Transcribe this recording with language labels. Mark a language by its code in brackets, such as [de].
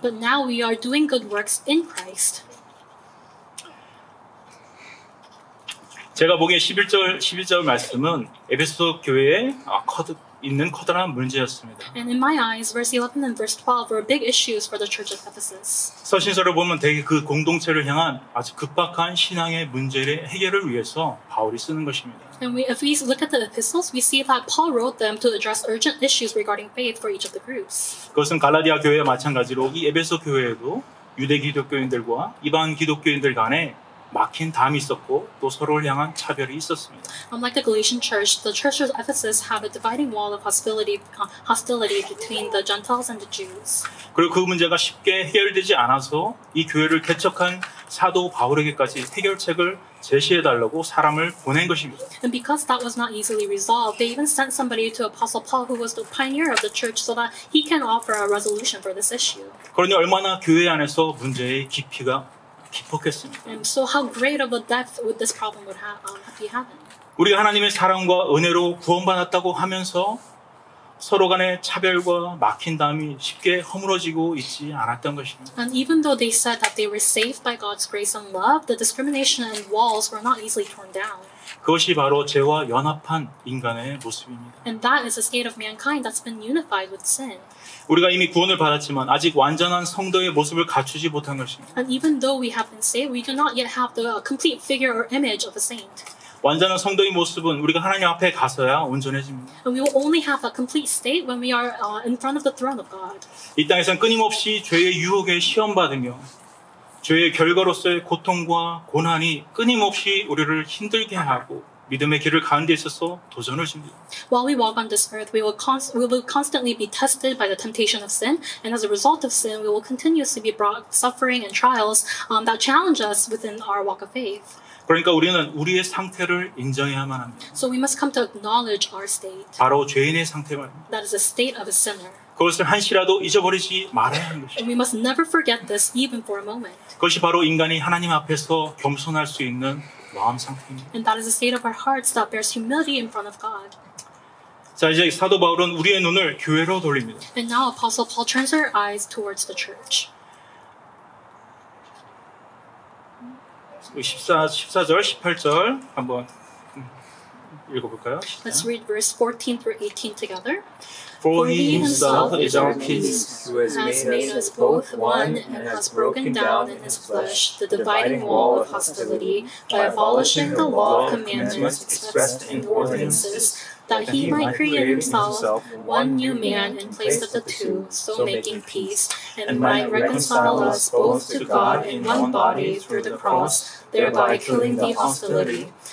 [en] But now we are doing good works in Christ. [ko] 제가 보기에 11절 말씀은 에베소 교회에 있는 커다란 문제였습니다. [en] And in my eyes, verse 11 and verse 12 were big issues for the church of Ephesus. [ko] 서신서를 보면 대개 그 공동체를 향한 아주 급박한 신앙의 문제를 해결을 위해서 바울이 쓰는 것입니다. [en] And if we look at the epistles, we see that Paul wrote them to address urgent issues regarding faith for each of the groups. [ko] 그것은 갈라디아 교회와 마찬가지로 이 에베소 교회에도 유대 기독교인들과 이방 기독교인들 간에 막힌 담이 있었고 또 서로를 향한 차별이 있었습니다. [en] Unlike the Galatian church, the church of Ephesus had a dividing wall of hostility between the Gentiles and the Jews. [ko] 그리고 그 문제가 쉽게 해결되지 않아서 이 교회를 개척한 사도 바울에게까지 해결책을 제시해 달라고 사람을 보낸 것입니다. [en] And because that was not easily resolved, they even sent somebody to Apostle Paul, who was the pioneer of the church, so that he can offer a resolution for this issue. [ko] 그러니 얼마나 교회 안에서 문제의 깊이가 깊었겠습니까? [en] And so how great of a depth would this problem would have be having? [ko] 우리가 하나님의 사랑과 은혜로 구원받았다고 하면서 서로 간의 차별과 막힌담이 쉽게 허물어지고 있지 않았던 것입니다. [en] And even though they said that they were saved by God's grace and love, the discrimination and walls were not easily torn down. [ko] 그것이 바로 죄와 연합한 인간의 모습입니다. [en] And that is the state of mankind that's been unified with sin. [ko] 우리가 이미 구원을 받았지만 아직 완전한 성도의 모습을 갖추지 못한 것입니다. [en] And even though we have been saved, we do not yet have the complete figure or image of a saint. [ko] 완전한 성도의 모습은 우리가 하나님 앞에 가서야 온전해집니다. [en] And we will only have a complete state when we are in front of the throne of God. [ko] 이 땅에서는 끊임없이 죄의 유혹에 시험받으며 죄의 결과로서의 고통과 고난이 끊임없이 우리를 힘들게 하고 믿음의 길을 가는 데 있어서 도전을 줍니다. [en] While we walk on this earth, we will constantly be tested by the temptation of sin, and as a result of sin, we will continuously be brought suffering and trials that challenge us within our walk of faith. [ko] 그러니까 우리는 우리의 상태를 인정해야만 합니다. [en] So we must come to acknowledge our state. [ko] 바로 죄인의 상태만. [en] That is the state of a sinner. [ko] 그것을 한시라도 잊어버리지 말아야 하는 것입니다. [en] And we must never forget this even for a moment. [ko] 그것이 바로 인간이 하나님 앞에서 겸손할 수 있는 마음 상태입니다. [en] And that is the state of our hearts that bears humility in front of God. [ko] 자 이제 사도 바울은 우리의 눈을 교회로 돌립니다. [en] And now Apostle Paul turns our eyes towards the church. [ko] 14절, 한번 읽어볼까요? [en] Let's read verse 14 through 18 together. For he himself is our peace, who has made us both one and has broken down in his flesh the dividing wall of hostility by abolishing the law of commandments expressed in ordinances, that he might create himself one new man in place of the two, so making peace, and might reconcile us both to God in one body through the cross, thereby killing the hostility.